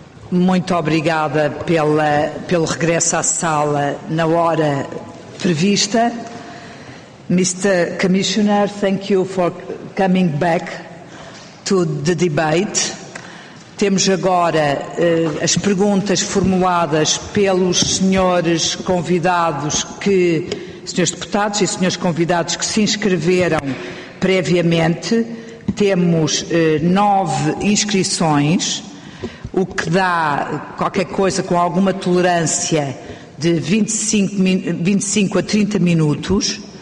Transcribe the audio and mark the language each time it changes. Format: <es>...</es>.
<pt>Muito obrigada pelo regresso à sala na hora prevista.</pt> <en>Mr. Commissioner, thank you for coming back to the debate.</en> <pt>Temos agora as perguntas formuladas pelos senhores convidados que, senhores deputados e senhores convidados que se inscreveram previamente. Temos 9 inscrições, o que dá qualquer coisa com alguma tolerância de 25 a 30 minutos.</pt>